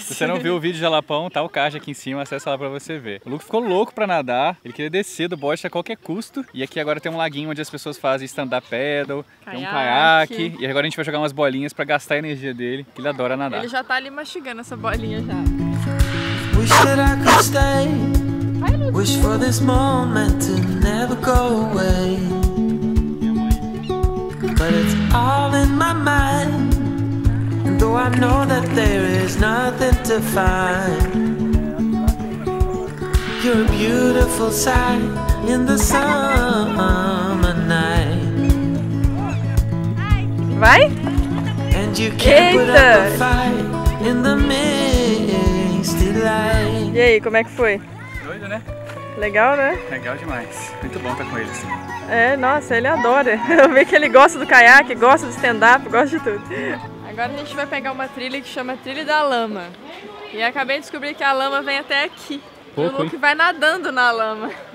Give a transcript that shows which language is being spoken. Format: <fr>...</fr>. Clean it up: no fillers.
<pt>Se você não viu o vídeo de Jalapão, tá o card aqui em cima, acessa lá pra você ver. O Luke ficou louco pra nadar, ele queria descer do bote a qualquer custo, e aqui agora tem um laguinho onde as pessoas fazem stand-up paddle, caiaque. Tem um caiaque, e agora a gente vai jogar umas bolinhas pra gastar a energia dele, que ele adora nadar. Ele já tá ali mastigando essa bolinha já.</pt> <en>Wish that I could stay. Wish for this moment to never go away. But it's all in my mind. And though I know that there is nothing to find, you're a beautiful sight in the summer night.</en> <pt>Vai?</pt> <en>And you can't put up a fight in the misty light.</en> <pt>E aí, como é que foi? Doido, né? Legal, né? Legal demais. Muito bom estar com eles. É, nossa, ele adora. Eu vi que ele gosta do caiaque, gosta do stand-up, gosta de tudo. Agora a gente vai pegar uma trilha que chama Trilha da Lama. E acabei de descobrir que a lama vem até aqui. Pouco, o Luke vai nadando na lama.</pt>